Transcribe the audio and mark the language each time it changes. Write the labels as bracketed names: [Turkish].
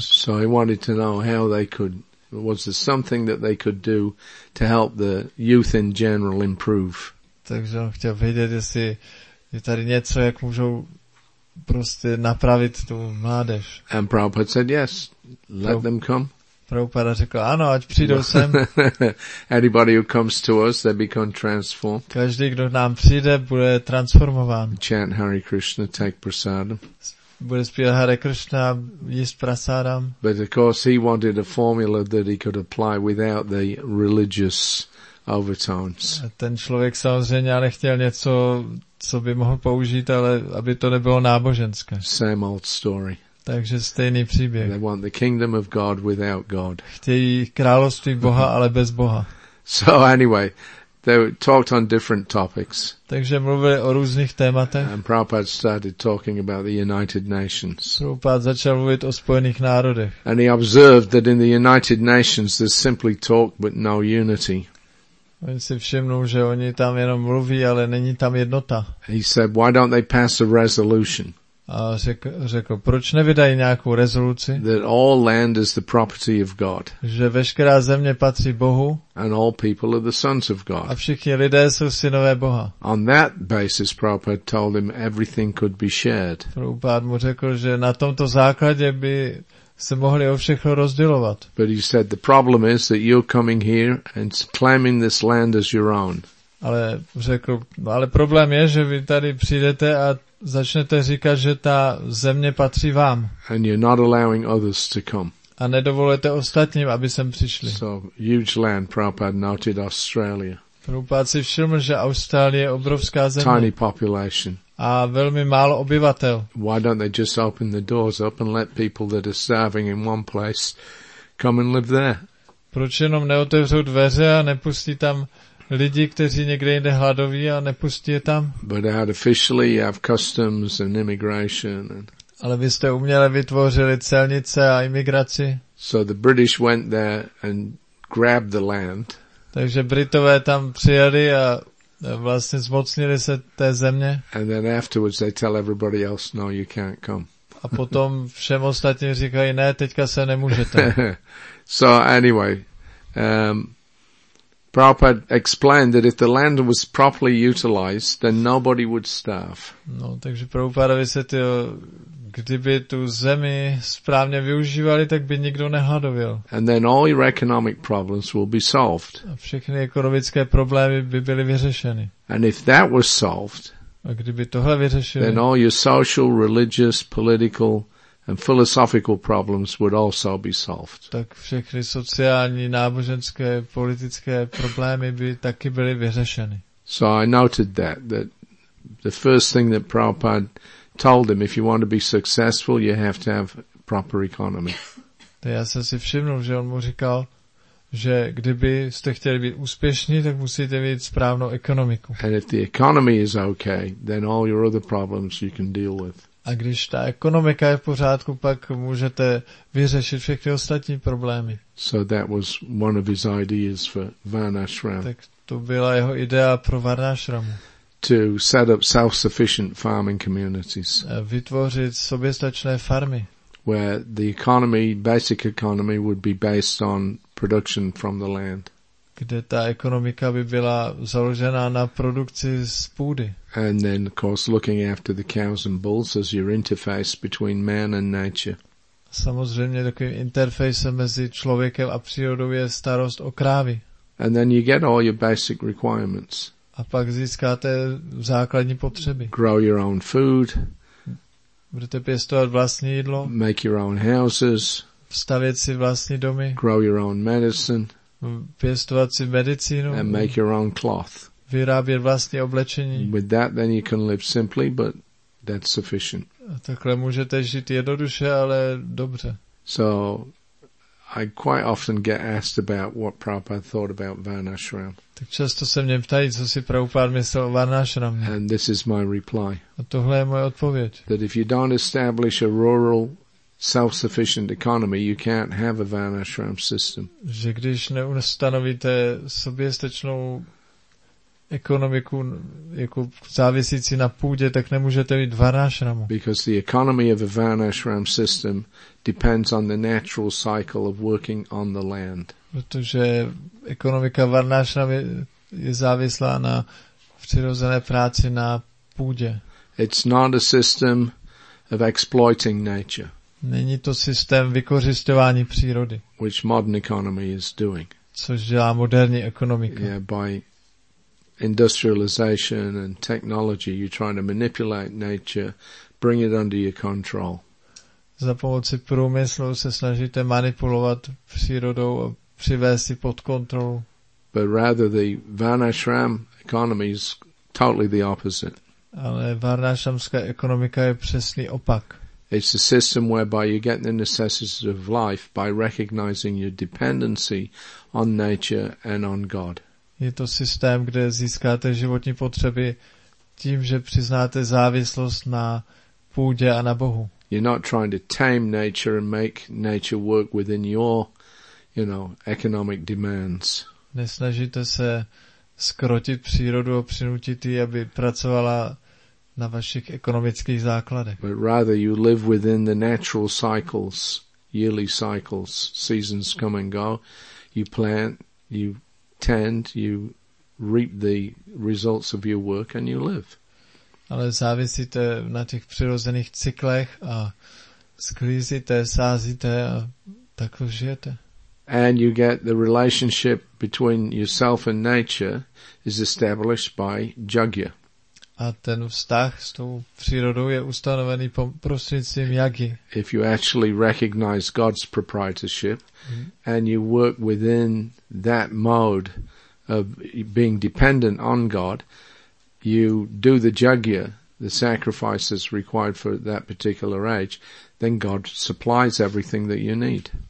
[English] So he wanted to know how they could, was there something that they could do to help the youth in general improve. [Czech] Takže on chtěl vědět, jestli je tady něco, jak můžou prostě napravit tu mládež. [English] And Prabhupada said yes, let them come. [Czech] Prabhupada řekl, ano, ať přijdou sem. [English] Anybody who comes to us, they become transformed. [Czech] Každý, kdo nám přijde, bude transformován. [English] Chant Hare Krishna, take prasadam. [Czech] Bude zpívat Hare Krishna, jíst prasadam. [English] But of course he wanted a formula that he could apply without the religious overtones. [Czech] A ten člověk samozřejmě ale chtěl něco, co by mohl použít, ale aby to nebylo náboženské. [English] Same old story. [Czech] Takže stejný příběh. [English] They want the kingdom of God without God. [Czech] Chtějí království Boha, ale bez Boha. [English] So anyway, They talked on different topics. [Czech] Takže mluvili o různých tématech. [English] And Prabhupada started talking about the United Nations. [Czech] Prabhupada začal mluvit o Spojených národech. [English] And he observed that in the United Nations there's simply talk but no unity. [Czech] On si všimnul, že oni tam jenom mluví, ale není tam jednota. [English] He said, why don't they pass a resolution? [Czech] A řekl, proč nevydají nějakou rezoluci? [English] That all land is the property of God. [Czech] Že veškerá země patří Bohu. [English] And all people are the sons of God. [Czech] A všichni lidé jsou synové Boha. [English] On that basis, Prabhupada told him, everything could be shared. [Czech] Prabhupada mu řekl, že na tomto základě by se mohli o všechno rozdělovat. [English] But he said, the problem is that you're coming here and claiming this land as your own. [Czech] Ale řekl, ale problém je, že vy tady přijdete a začnete říkat, že ta země patří vám. [English] And you're not allowing others to come. [Czech] A nedovolujete ostatním, aby sem přišli. [English] So, huge land, Prabhupada noted Australia. [Czech] Prabhupada si všiml, že Austrálie je obrovská země. [English] Tiny population. [Czech] A velmi málo obyvatel. [English] Why don't they just open the doors up and let people that are starving in one place come and live there? [Czech] Proč jenom neotevřou dveře a nepustí tam lidi, kteří někde jinde hladoví a nepustí je tam? [English] But out officially you have customs and immigration. [Czech] Ale vy jste uměle vytvořili celnice a imigraci. [English] So the British went there and grabbed the land. [Czech] Takže Britové tam přijeli a vlastně zmocnili se té země. [English] And then afterwards they tell everybody else, no, you can't come. [Czech] A potom všem ostatním říkají, ne, teďka se nemůžete. [English] So anyway, Prabhupada explained that if the land was properly utilized, then nobody would starve. [Czech] No, takže Prabhupada vysvětlil, kdyby tu zemi správně využívali, tak by nikdo nehladověl. [English] And then all your economic problems will be solved. [Czech] A všechny ekonomické problémy by byly vyřešeny. [English] And if that was solved, [Czech] a kdyby tohle vyřešili, [English] then all your social, religious, political and philosophical problems would also be solved. [Czech] Tak všechny sociální, náboženské, politické problémy by taky byly vyřešeny. [English] So I noted that the first thing that Prabhupada told him, if you want to be successful, you have to have proper economy. [Czech] Já jsem si všiml, že on mu říkal, že kdybyste chtěli být úspěšní, tak musíte mít správnou ekonomiku. [English] And if the economy is okay, then all your other problems you can deal with. [Czech] A když ta ekonomika je v pořádku, pak můžete vyřešit všechny ostatní problémy. [English] So that was one of his ideas for Varnashram. [Czech] Tak to byla jeho idea pro Varnashram. [English] To set up self-sufficient farming communities. [Czech] Vytvořit soběstačné farmy. [English] Where the economy, basic economy, would be based on production from the land. [Czech] Kde ta ekonomika by byla založena na produkci z půdy. [English] And then, of course, looking after the cows and bulls as your interface between man and nature. [Czech] Samozřejmě takovým interfejsem mezi člověkem a přírodou je starost o krávy. [English] And then you get all your basic requirements. [Czech] A pak získáte základní potřeby. [English] Grow your own food. [Czech] Budete pěstovat vlastní jídlo. [English] Make your own houses. [Czech] Stavět si vlastní domy. [English] Grow your own medicine. [Czech] Pěstovat si medicínu. [English] And make your own cloth. [Czech] Vyrábět vlastní oblečení. [English] With that then you can live simply, but that's sufficient. [Czech] A takhle můžete žít jednoduše, ale dobře. [English] So I quite often get asked about what Prabhupada thought about Varnashram. [Czech] Tak často se mě ptají, co si Prabhupada myslel o Varnashramě. [English] And this is my reply. [Czech] A tohle je moje odpověď. [English] That if you don't establish a rural self-sufficient economy, you can't have a Varnashram system. [Czech] Že když neustanovíte soběstačnou ekonomiku jako závisící na půdě, tak nemůžete mít Varnashramu. [English] Because the economy of a Varnashram system depends on the natural cycle of working on the land. [Czech] Protože ekonomika Varnashram je závislá na přirozené práci na půdě. [English] It's not a system of exploiting nature. [Czech] Není to systém vykořisťování přírody. [English] Which modern economy is doing. [Czech] Což dělá moderní ekonomika. [English] Yeah, by industrialization and technology, you're trying to manipulate nature, bring it under your control. [Czech] Za pomoci průmyslu se snažíte manipulovat přírodou a přivést ji pod kontrolu. [English] But rather the Varnashram economy is totally the opposite. [Czech] Ale Varnashramská ekonomika je přesný opak. [English] It's a system whereby you get the necessities of life by recognizing your dependency on nature and on God. [Czech] Je to systém, kde získáte životní potřeby tím, že přiznáte závislost na půdě a na Bohu. [English] You're not trying to tame nature and make nature work within your, you know, economic demands. [Czech] Nesnažíte se skrotit přírodu a přinutit ji, aby pracovala na vašich ekonomických základech. [English] But rather you live within the natural cycles, yearly cycles, seasons come and go. You plant, you tend, you reap the results of your work and you live. [Czech] Ale závisíte na těch přirozených cyklech a sklízíte, sázíte a tak žijete. [English] And you get the relationship between yourself and nature is established by yoga. [Czech] A ten vztah s tou přírodou je ustanovený prostřednictvím jagy. [English] If you actually recognize God's proprietorship and you work within that mode of being dependent on God, you do the yagya, the sacrifices required for that particular age, then God supplies everything that you need.